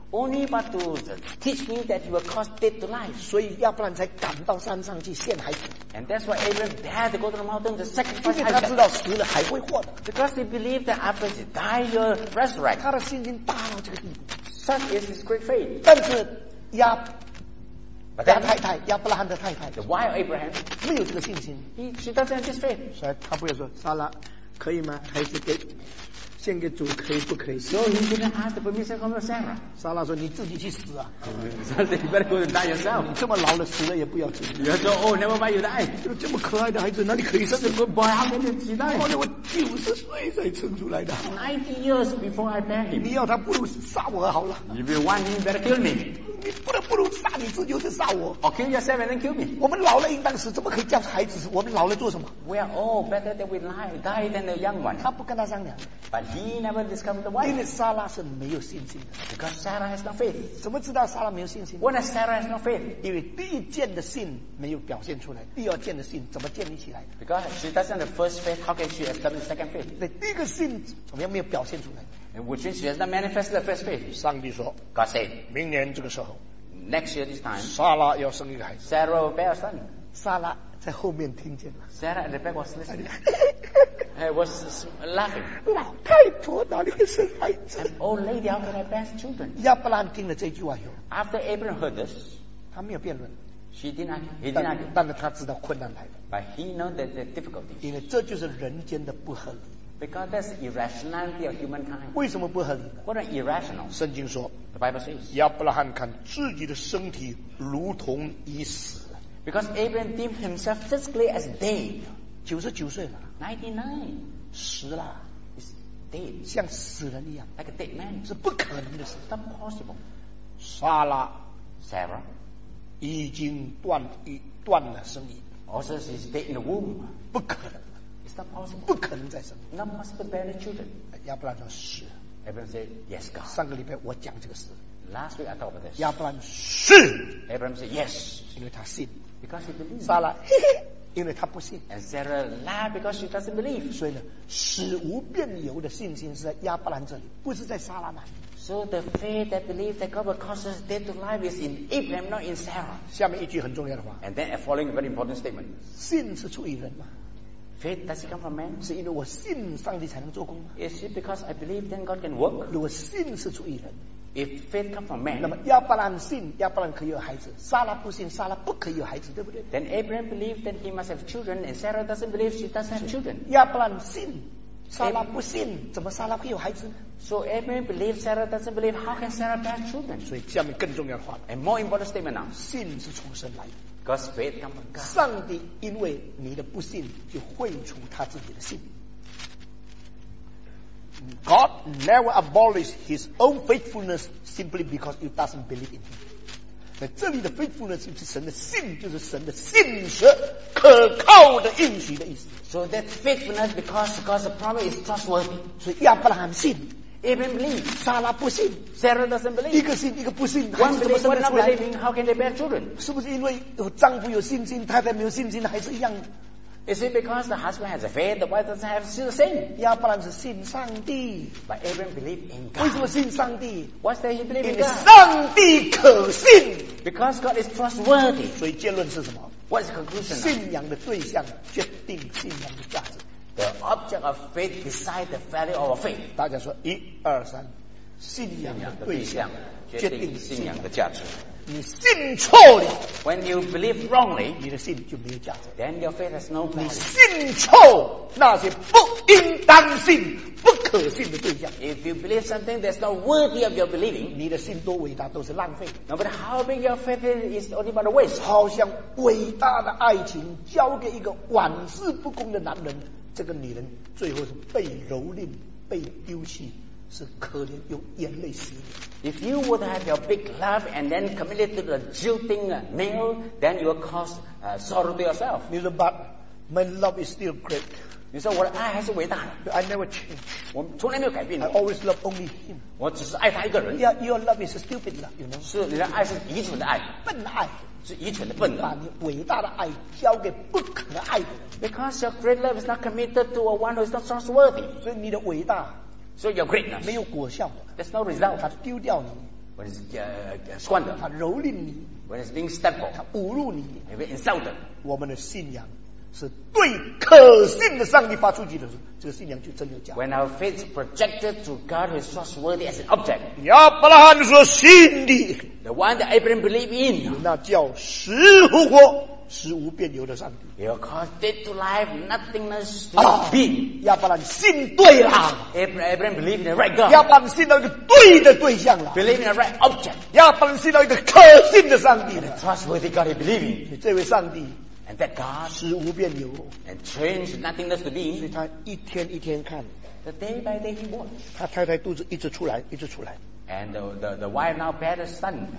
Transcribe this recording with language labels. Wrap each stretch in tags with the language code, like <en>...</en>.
<en>Only but to teach me that you will cause death to life.</en> <zh>所以要不然才赶到山上去献孩子。</zh> <en>And that's why Abraham had to go to the mountain to sacrifice Isaac.</en> <zh>因为他知道死了还会活的。</zh> <en>Because he believed that after he died, he'll resurrect.</en> <zh>他的信心大到这个地步。</zh> <en>Such is his great faith.</en> <zh>但是亚太太亚伯拉罕的太太</zh> <en>the wife of Abraham</en> <zh>没有这个信心</zh> <en>she doesn't have this faith</en> <zh>所以他不会说撒拉可以吗还是给献给主可以不可以</zh> <en>so he didn't ask the permission from Sarah</en> <zh>撒拉说你自己去死啊</zh> <en>so you better go and die yourself</en> <zh>这么老了死了也不要紧</zh> <en>you say oh never mind you die</en> <zh>这么可爱的孩子哪里可以生</zh> <en>such a good boy</en> <zh>还没期待后来我90岁才生出来的</zh> <en>90 years before I met him</en> <zh>你要他不如杀我好了</zh> <en>if you want him better kill me</en> <zh>你不能不如杀你自己就是杀我</zh> <en>or kill yourself and then kill me</en> <zh>我们老了应当死怎么可以叫孩子死我们老了做什么</zh> <en>we are all better than we lie die than the young one</en> <zh>他不跟他商量</zh> <en>but he never discovered the wife</en> <zh>因为撒拉是没有信心的</zh> <en>because Sarah has no faith</en> <zh>怎么知道撒拉没有信心</zh> <en>when Sarah has no faith</en> <zh>因为第一件的信没有表现出来第二件的信怎么建立起来</zh> <en>because she doesn't have the first faith how can she establish the second faith</en> <zh>对第一个信怎么样没有表现出来</zh> <en>Which means she has not manifested the first faith.</en> <zh>上帝说</zh> <en>God said,</en> <zh>明年这个时候</zh> <en>Next year this time,</en> <zh>撒拉要生一个孩子</zh> <en>Sarah will bear a son.</en> <zh>撒拉在后面听见了</zh> <en>Sarah at the back was listening. was laughing.</en> <zh>老太婆哪里会生孩子</zh> <en>An old lady, how can I bear children?</en> <zh>亚伯兰听了这句话以后</zh> <en>After Abraham heard this,</en> <zh>他没有辩论</zh> <en>She didn't argue. He didn't argue.</en> <zh>但是他知道困难来了</zh> <en>But he knows that the difficulties.</en> <zh>因为这就是人间的不合理</zh> <en>Because that's irrationality of humankind.</en> <zh>为什么不合理</zh> <en>What an irrational.</en> <zh>圣经说</zh> <en>The Bible says.</en> <zh>亚伯拉罕看自己的身体如同已死。</zh> <en>Because Abraham deemed himself physically as dead.</en> <zh>99岁了。</zh> <en>99.</en> <zh>死了。</zh> <en>He's dead.</en> <zh>像死人一样。</zh> <en>Like a dead man.</en> <zh>是不可能的事。</zh> <en>It's impossible.</en> <zh>撒拉。</zh> <en>Sarah.</en> <zh>已经断了生育。</zh> <en>Also she's dead in the womb.</en> <zh>不可能。</zh> <en>It's not possible.</en> <zh>不可能再生。</zh> <en>Not possible bear the children.</en> <zh>亚伯兰说是。</zh> <en>Abraham said yes, God.</en> <zh>上个礼拜我讲这个事。</zh> <en>Last week I talked about this.</en> <zh>Abraham 是</zh> <en>Abraham said yes.</en> <zh>因为他信</zh> <en>Because he believed.</en> <zh>撒拉因为他不信</zh> <en>And Sarah laughed because she doesn't believe.</en> <zh>所以呢，死无变由的信心是在亚伯兰这里，不是在撒拉嘛。</zh> <en>So the faith that believes that God will cause us dead to life is in Abraham, not in Sarah.</en> <zh>下面一句很重要的话。</zh> <en>And then a following very important statement.</en> <zh>信是出于人吗？</zh> <en>Faith, does it come from man?</en> <zh>是因为我信上帝才能做工。</zh> <en>Is it because I believe then God can work?</en> <zh>如果信是出于人。</zh> <en>If faith comes from man,</en> <zh>那么亚伯兰信，亚伯兰可以有孩子。撒拉不信，撒拉不可以有孩子，对不对？</zh> <en>Then Abraham believed then he must have children, and Sarah doesn't believe she doesn't have children.</en> <zh>亚伯兰信，撒拉不信，怎么撒拉会有孩子？</zh> <en>So Abraham believed, Sarah doesn't believe. How can Sarah bear children?</en> <zh>所以下面更重要的话。</zh> <en>And more important statement now,</en> <zh>信是从神来的。</zh> <en>God's faith comes from God.</en> <zh>上帝因为你的不信，就废除他自己的信。</zh> <en>God never abolishes His own faithfulness simply because you doesn't believe in Him.</en> <zh>那这里的 faithfulness 就是神的信，就是神的信实、可靠的应许的意思。</zh> <en>So that faithfulness because God's promise is trustworthy.</en> <zh>所以亚伯拉罕信。</zh> <en>Abraham believed.</en> <zh>Sarah 不信</zh> <en>Sarah doesn't believe.</en> <zh>一个信一个不信</zh> <en>One believes, one not believing. How can they bear children?</en> <zh>是不是因为有丈夫有信心，太太没有信心，还是一样？</zh> <en>Is it because the husband has a faith, the wife doesn't have the same?</en> <zh>亚伯兰是信上帝</zh> <en>But Abraham believed in God.</en> <zh>为什么信上帝</zh> <en>What's that he believed in God?</en> <zh>因为上帝可信</zh> <en>Because God is trustworthy.</en> <zh>所以结论是什么</zh> <en>What's the conclusion?</en> <zh>信仰的对象决定信仰的价值</zh> <en>The object of faith decides the value of faith.</en> <zh>大家说一二三信仰的对象决定信仰的价值你信错了</zh> <en>When you believe wrongly</en> <zh>你的信就没有价值</zh> <en>Then your faith has no value</en> <zh>你信错那些不应当信不可信的对象</zh> <en>If you believe something that's not worthy of your believing</en> <zh>你的信多伟大都是浪费</zh> <en>No matter how big your faith is only but a waste</en> <zh>好像伟大的爱情交给一个玩世不恭的男人这个女人最后是被蹂躏被丢弃是可怜用眼泪洗脸</zh> <en>If you would have your big love and then committed to the jilting male, then you will cause sorrow to yourself. You say, but my love is still great. You say,</en> <zh>我的爱还是伟大的</zh> <en>I never change.</en> <zh>我从来没有改变</zh> <en>I always love only him.</en> <zh>我只是爱他一个人</zh> <en>Yeah, your love is stupid love, you know.</en> <zh>是你的爱是愚蠢的爱笨爱是愚蠢的笨的把你伟大的爱交给不可能爱的</zh> <en>Because your great love is not committed to a one who is not trustworthy.</en> <zh>所以你的伟大</zh> <en>So your greatness</en> <zh>没有果效的</zh> <en>There's no result</en> <zh>他丢掉你</zh> <en>When it's squandered</en> <zh>他蹂躏你</zh> <en>When it's being stepped</en> <zh>他侮辱你</zh> <en>When it's insulted</en> <zh>我们的信仰是对可信的上帝发出去的时候这个信仰就真有价</zh> <en>When our faith is projected to God who is trustworthy as an object</en> <zh>亚伯拉罕说信你</zh> <en>The one that Abraham believed in</en> <zh>那叫死复活死无变由的上帝</zh> <en>He will cause dead to life nothingness to be</en> <zh>亚伯兰信对了</zh> <en>Abraham believed in the right God</en> <zh>亚伯兰信到一个对的对象了</zh> <en>Believe in the right object</en> <zh>亚伯兰信到一个可信的上帝</zh> <en>The trustworthy God he believed in</en> <zh>这位上帝</zh> <en>And that God</en> <zh>死无变由</zh> <en>And change nothingness to be</en> <zh>所以他一天一天看</zh> <en>The day by day he watched</en> <zh>他太太肚子一直出来一直出来</zh> <en>And the wife now bear the son</en>